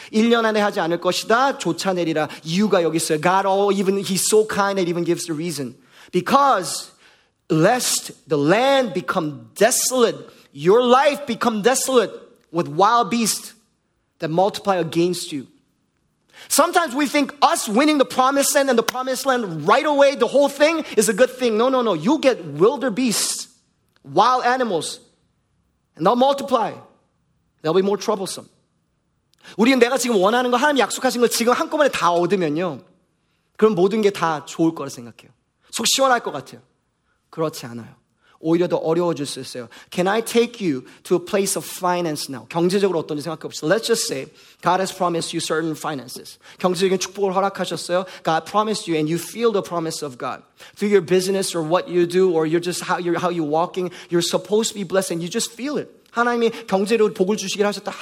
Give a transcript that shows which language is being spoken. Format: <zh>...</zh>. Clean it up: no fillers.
<ko>1년 안에 하지 않을 것이다. 쫓아내리라. 이유가 여기 있어요.</ko> <en>God, he's so kind and even gives the reason. Because lest the land become desolate, your life become desolate with wild beasts that multiply against you. Sometimes we think us winning the promised land and the promised land right away, the whole thing, is a good thing. No. You'll get wilder beasts, wild animals, and they'll multiply. They'll be more troublesome.</en> <ko>우리는 내가 지금 원하는 거, 하나님 약속하신 거 지금 한꺼번에 다 얻으면요, 그럼 모든 게 다 좋을 거라 생각해요. 속 시원할 것 같아요. 그렇지 않아요. 오히려 더 어려워질 수 있어요.</ko> <en>Can I take you to a place of finance now?</en> <ko>경제적으로 어떤지 생각해 봅시다.</ko> <en>Let's just say God has promised you certain finances.</en> <ko>경제적인 축복을 허락하셨어요.</ko> <en>God promised you and you feel the promise of God. Through your business or what you do or you're just how you're walking, you're supposed to be blessed and you just feel it.</en> <ko>하나님이 경제로 복을 주시기를 하셨다.</ko>